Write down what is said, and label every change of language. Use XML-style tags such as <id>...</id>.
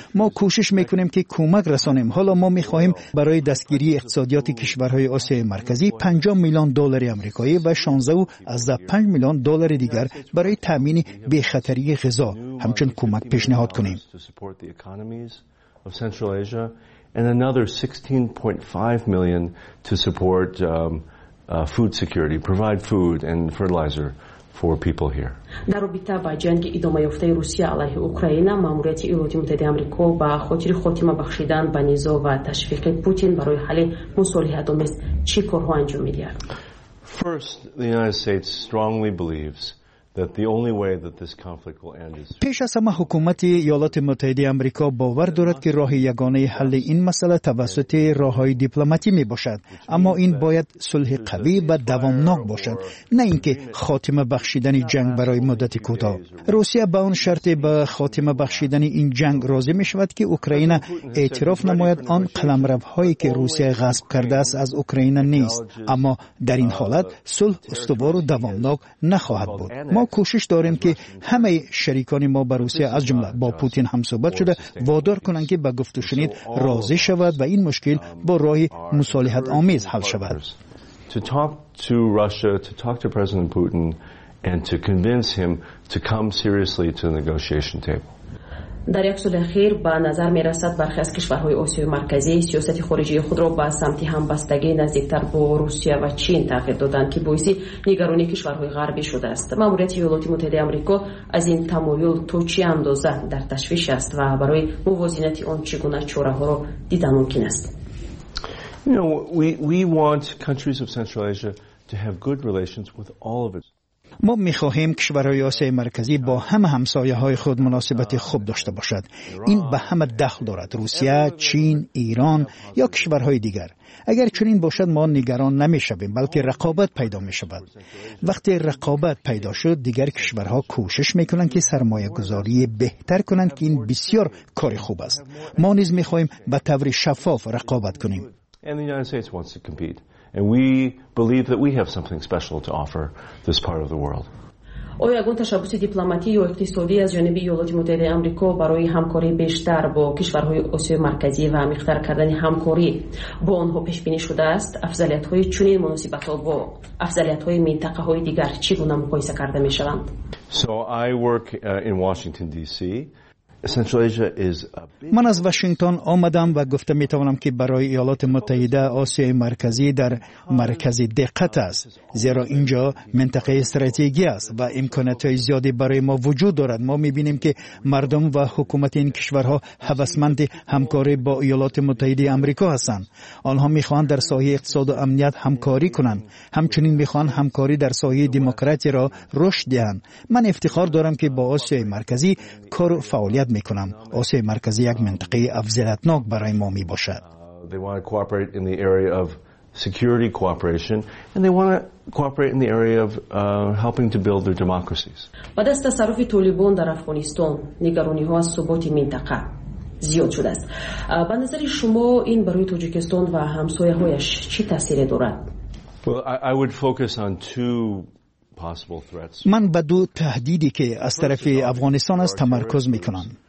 <fa>ما کوشش میکنیم که کمک رسانیم. حالا ما میخواهیم برای دستگیری اقتصادیات کشورهای آسیای مرکزی 5 میلیون دلار آمریکایی و 16.5 میلیون دلار دیگر برای تامین بی‌خطری غذا همچنین کمک پیشنهاد کنیم.</fa> <en>And another 16.5 million to support food security, provide food and fertilizer for people here.</en> <fa>در رابطه با جنگ ادامه یافته روسیه علیه اوکراین، ماموریت ایالات متحده آمریکا با خاطر خاتمه بخشیدن به نزاع و تشویق پوتین برای حل مصالحه‌آمیز چی کارها انجام می‌دهد؟</fa> <en>First, the United States strongly believes that the only way that this conflict will end is</en> <fa>پیش از همه حکومت ایالات متحده آمریکا باور دارد که راه یگانه حل این مسئله توسط راه‌های دیپلماتیک میباشد، اما این باید صلح قوی و دوامناک باشد، نه اینکه خاتمه بخشیدن جنگ برای مدت کوتاه. روسیه به آن شرط به خاتمه بخشیدن این جنگ راضی میشود که اوکراین اعتراف نماید آن قلمروهایی که روسیه غصب کرده است از اوکراین نیست، اما در این حالت صلح استوار و دوامناک نخواهد بود. ما کوشش داریم که همه شریکان ما با روسیه از جمله با پوتین هم صحبت شده وادار کنند که به گفت و شنید راضی شود و این مشکل با راه مصالحت آمیز حل شود.</fa> <en>To talk to Russia, to talk to President Putin and to convince him to come seriously to the negotiation table.</en> <fa>در یک سال اخیر به نظر می رسد برخی از کشورهای آسیای مرکزی سیاست خارجی خود را به سمت همبستگی نزدیکتر با روسیه و چین تغییر دادند که باعث نگرانی کشورهای غربی شده است. ماموریت ایالات متحده آمریکا از این تمایل تا چه اندازه در تشویش است و برای موازنت آن چگونه چاره ها را دیده ممکن است؟</fa> <en>We want countries of Central Asia to have good relations with all of its.</en> <fa>ما می‌خواهیم کشورهای آسیای مرکزی با همه همسایه‌های خود مناسبت خوب داشته باشد. این به همه دخل دارد، روسیه، چین، ایران یا کشورهای دیگر. اگر چنین باشد ما نگران نمی‌شویم، بلکه رقابت پیدا می‌شود. وقتی رقابت پیدا شد دیگر کشورها کوشش می‌کنند که سرمایه‌گذاری بهتر کنند که این بسیار کار خوب است. ما نیز می‌خواهیم به طور شفاف رقابت کنیم.</fa> <en>And we believe that we have something special to offer this part of the world.</en> <fa>آیا گونه تشابهی دیپلماتیک و اقتصادی از جانب ایالات متحده آمریکا برای همکاری بیشتر با کشورهای آسیای مرکزی و میختر کردن همکاری با آنها پیش بینی شده است؟ افضلیت‌های چنین مناسبت‌ها با افضلیت‌های منطقه‌های دیگر چگونه مقایسه کرده می‌شوند؟</fa> <en>So I work in Washington DC. Central Asia is a big.</en> <fa>من از واشنگتن آمدم و گفتم می توانم که برای ایالات متحده آسیای مرکزی در مرکز دقت است، زیرا اینجا منطقه استراتژی است و امکانات زیادی برای ما وجود دارد. ما می بینیم که مردم و حکومت این کشورها هوسمند همکاری با ایالات متحده آمریکا هستند. آنها می خواهند در سایه اقتصاد و امنیت همکاری کنند، همچنین می خواهند همکاری در سایه دموکراسی را رشد دهند. من افتخار دارم که با آسیای مرکزی کار فعال میکنم. آسیای مرکزی یک منطقه افضلیتناک برای ما می باشد.</fa> <en>They want to cooperate in the area of security cooperation and they want to cooperate in the area of helping to build their democracies.</en> <fa>با دست تصرف طالبان در افغانستان نگرانی ها از ثبات منطقه زیاد شده است. به نظر شما این برای تاجیکستان و همسایه هایش چی تاثیر دارد؟</fa> <en>I would focus on two.</en> <fa>من به دو تهدیدی که از طرف افغانستان است تمرکز میکنم.</fa>